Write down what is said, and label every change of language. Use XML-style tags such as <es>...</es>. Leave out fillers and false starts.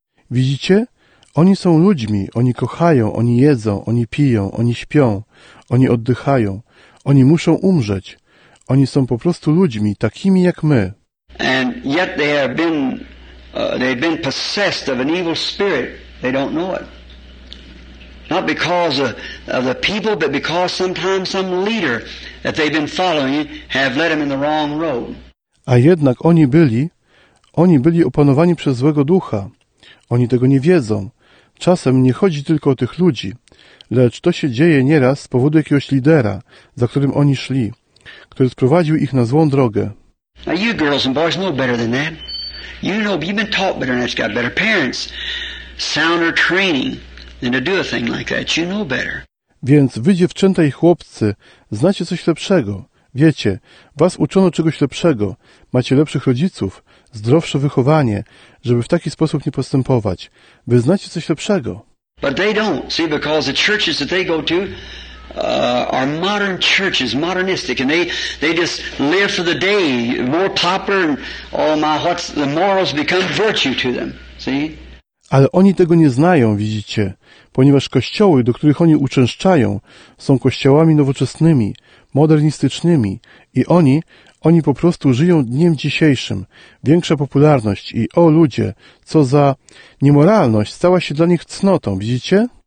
<pl>Widzicie? Oni są ludźmi, oni kochają, oni jedzą, oni piją, oni śpią, oni oddychają, oni muszą umrzeć. Oni są po prostu ludźmi, takimi jak my.</pl> <en>And yet they've been possessed of an evil spirit. They don't know it. Not because of the people, but because sometimes some leader that they've been following have led them in the wrong road.</en> <pl>A jednak oni byli opanowani przez złego ducha. Oni tego nie wiedzą. Czasem nie chodzi tylko o tych ludzi, lecz to się dzieje nieraz z powodu jakiegoś lidera, za którym oni szli, który sprowadził ich na złą drogę.</pl> <en>Now you girls and boys know better than that. You know, you've been taught better than that. You've got better parents, sounder training than to do a thing like that. You know better.</en> <pl>Więc wy dziewczęta i chłopcy znacie coś lepszego. Wiecie, was uczono czegoś lepszego, macie lepszych rodziców, zdrowsze wychowanie, żeby w taki sposób nie postępować. Wy znacie coś lepszego.</pl> <en>But they don't, see, because the churches that they go to are modern churches, modernistic, and they just live for the day, more popular, and oh my, what's the morals become virtue to them, see?</en> <pl>Ale oni tego nie znają, widzicie, ponieważ kościoły, do których oni uczęszczają, są kościołami nowoczesnymi, modernistycznymi i oni po prostu żyją dniem dzisiejszym. Większa popularność i o ludzie, co za niemoralność stała się dla nich cnotą, widzicie?</pl>